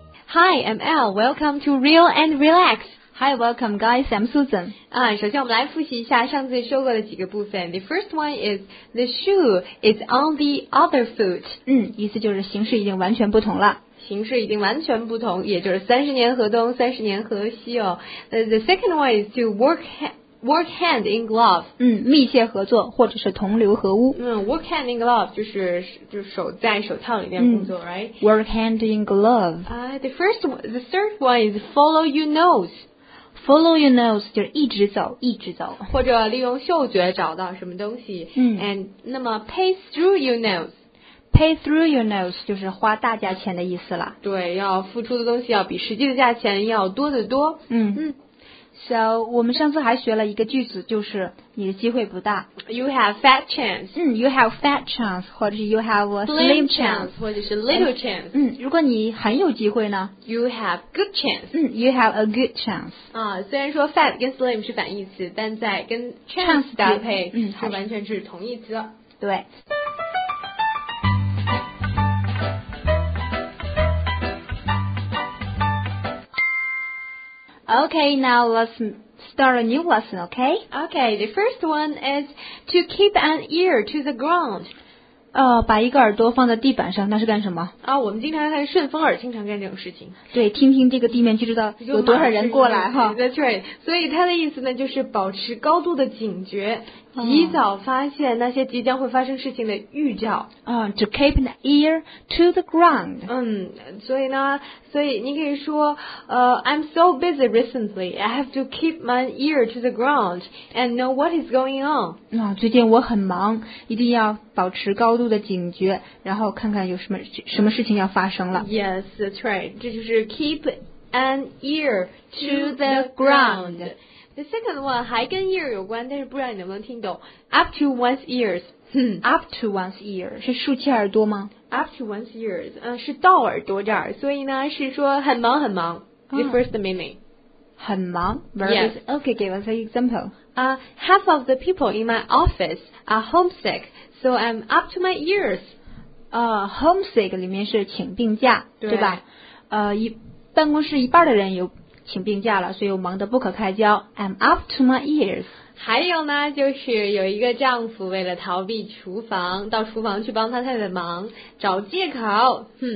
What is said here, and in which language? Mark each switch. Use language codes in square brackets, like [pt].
[en] Hi, I'm Elle. Welcome to Real and Relax. Hi, welcome, guys. I'm Susan. [zh] 首先我们来复习一下上次说过的几个部分。 [en] The first one is the shoe is on the other foot. [zh] 意思就是形式已经完全不同了。形式已经完全不同，也就是三十年河东，三十年河西哦。 [en] The second one is to work hand in glove. [zh] 密切合作或者是同流合污。 [en] Work hand in glove [zh] 就是手在手套里面工作， [en] right? Work hand in glove. The third one is follow your nose. Follow your nose [zh] 就是一直走，一直走。或者利用嗅觉找到什么东西。 And 那么 pace through your nose. [en] Pay through your nose [zh] 就是花大价钱的意思了。对，要付出的东西要比实际的价钱要多得多。 So, 我们上次还学了一个句子，就是你的机会不大。 [en] You have fat chance. You have fat chance, [zh] 或者是 [en] you have a slim chance, [zh] 或者是 [en] little chance. [zh] 如果你很有机会呢？ [en] You have good chance. You have a good chance. [zh] 虽然说 fat 跟 slim 是反义词，但在跟 chance 搭配，它完全是同义词。对。 [en] Okay, now let's start a new lesson, okay? Okay, the first one is to keep an ear to the ground. [zh] 把一个耳朵放在地板上，那是干什么？我们经常看顺风耳，经常干这种事情。对，听听这个地面就知道有多少人过来哈。 [en] That's right. [zh] 所以它的意思呢，就是保持高度的警觉，及早发现那些即将会发生事情的预兆。 [en] To keep an ear to the ground. [zh] 所以你可以说 [en] I'm so busy recently, I have to keep my ear to the ground and know what is going on. [zh] 最近我很忙，一定要保持高度的警觉，然后看看有什么事情要发生了。 [en] Yes, that's right. [zh] 这就是 [en] keep an ear to the ground. The second one [zh] 还跟 ear 有关，但是不知道你能不能听懂。 [en] Up to one's ears. [zh] Up to one's ear 是竖起耳朵吗？ [en] Up to one's ears [zh] 是到耳朵这儿，所以呢是说很忙很忙。 [en] The first meaning. [zh] 很忙。 [en] Yes. Okay, give us an example. Half of the people in my office are homesick, so I'm up to my ears. [zh] Homesick 里面是请病假，对吧？办公室一半的人有请病假了，所以我忙得不可开交。 [en] I'm up to my ears. [zh] 还有呢，就是有一个丈夫为了逃避厨房，到厨房去帮他太太忙，找借口。